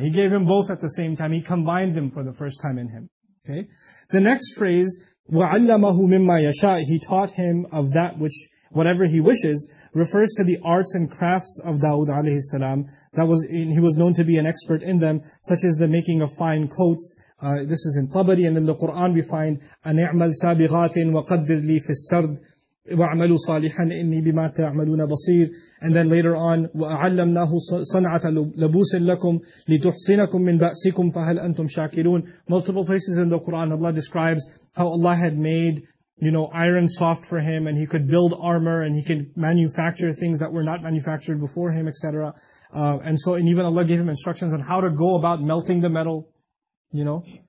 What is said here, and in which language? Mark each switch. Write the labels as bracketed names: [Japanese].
[English] He gave him both at the same time. He combined them for the first time in him. Okay. The next phrase, [Arabic] وَعَلَّمَهُ مِمَّا يَشَاءُ, [English] he taught him of that which, whatever he wishes, refers to the arts and crafts of Dawud alayhi salam. That was, he was known to be an expert in them, such as the making of fine coats. This is in Tabari, and in the Quran we find, [Arabic] أَنِعْمَلْ سَابِغَاتٍ وَقَدِّرْ لِي فِي السَّرْدِ وَعَمَلُوا صَالِحًا إِنِّي بِمَا تَعْمَلُونَ بَصِيرٌ. [English] And then later on, [Arabic] وَعَلَّمْنَاهُ صَنْعَةَ لَبُوسٍ لَكُمْ لِتُحْصِنَكُمْ مِنْ بَأْسِكُمْ فَهَلْ أَنْتُمْ شَاكِرُونَ. [English] Multiple places in the Quran, Allah describes how Allah had made, you know, iron soft for him, and he could build armor, and he could manufacture things that were not manufactured before him, etc. And even Allah gave him instructions on how to go about melting the metal, you know.